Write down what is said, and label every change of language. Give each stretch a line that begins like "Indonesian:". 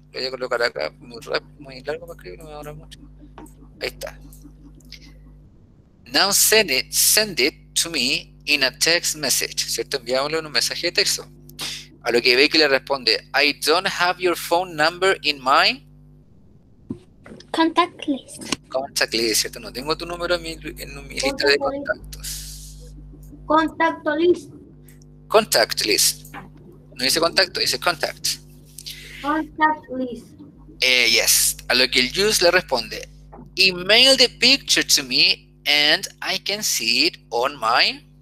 Spanish: Voy a colocar acá muy rápido, muy largo para escribir, no me ahora mucho. Ahí está.
English: Now send it to me in a text message.
Spanish: ¿Cierto? Enviámoslo en un mensaje de texto. A lo que Becky le responde,
English: I don't have your phone number in my contact list. Contact list,
Spanish: ¿cierto? No tengo tu número en mi lista de contactos.
English: Contact list. Contact list.
Spanish: No dice contacto, dice contact.
English: Contact list. Yes.
Spanish: A lo que el Jules le responde,
English: email the picture to me and I can see it on my.